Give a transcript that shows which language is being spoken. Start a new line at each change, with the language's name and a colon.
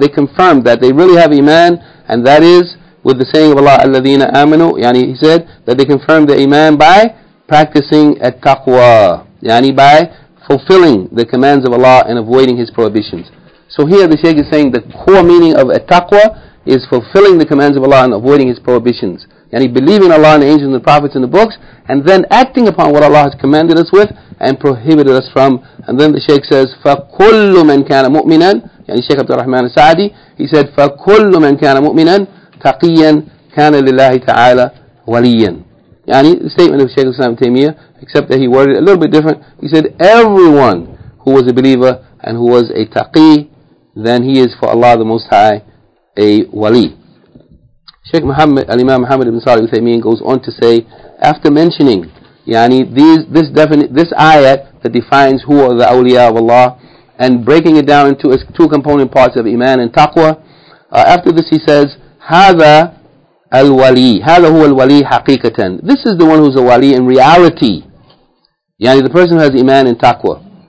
English: They confirmed that they really have iman, and that is with the saying of Allah, alladhina amanu, yani he said that they confirmed the iman by practicing at taqwa, yani by fulfilling the commands of Allah and avoiding His prohibitions. So here the Shaykh is saying the core meaning of at-taqwa is fulfilling the commands of Allah and avoiding His prohibitions. Yani believing Allah and the angels and the prophets and the books, and then acting upon what Allah has commanded us with and prohibited us from. And then the Shaykh says,
Arabic: فَكُلُّ مَنْ كَانَ مُؤْمِنًا, yani Shaykh Abdul Rahman al-Sa'adi, he said, فَكُلُّ مَنْ كَانَ مُؤْمِنًا تَقِيًّا كَانَ لِلَّهِ تَعَالَى وَلِيًّا.
English: Yani the statement of Shaykh al-Islam Taymiyyah, except that he worded it a little bit different. He said, everyone who who was a believer and who was a taqi, then he is for Allah the Most High a wali. Sheikh Muhammad al-Imam Muhammad ibn Salih al-Uthaymeen goes on to say, after mentioning this ayat that defines who are the awliya of Allah and breaking it down into its two component parts of iman and taqwa, after this he says, hadha al-wali, hadha huwa al-wali haqiqatan, this is the one who's a wali in reality, yani the person who has iman and taqwa.